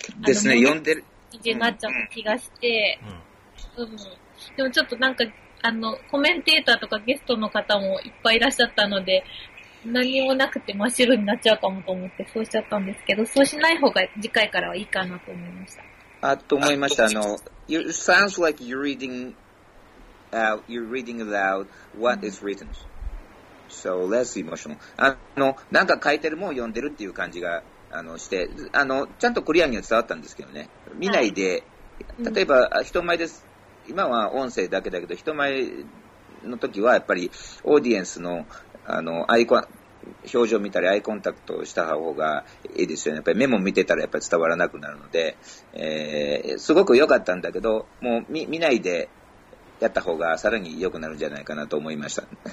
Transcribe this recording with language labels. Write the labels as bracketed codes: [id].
[ja] ですね、読んでる感じになっちゃった気がして、でもちょっとなんかあのコメンテーターとかゲストの方もいっぱいいらっしゃったので、何もなくて真っ白になっちゃうかもと思ってそうしちゃったんですけど、そうしない方が次回からはいいかなと思いました。あ、と思いました。あの [en] It sounds like you're readingyou're reading aloud what is written. So less emotional. [ja] あの、なんか書いてるもん読んでるっていう感じがあのして、あの、ちゃんとクリアには伝わったんですけどね。見ないで、例えば人前です。今は音声だけだけど、人前の時はやっぱりオーディエンスの、あの、アイコン、表情見たりアイコンタクトした方がいいですよね。やっぱりメモ見てたらやっぱり伝わらなくなるので、すごく良かったんだけど、もう 見ないで、やった方がさらに良くなるんじゃないかなと思いました。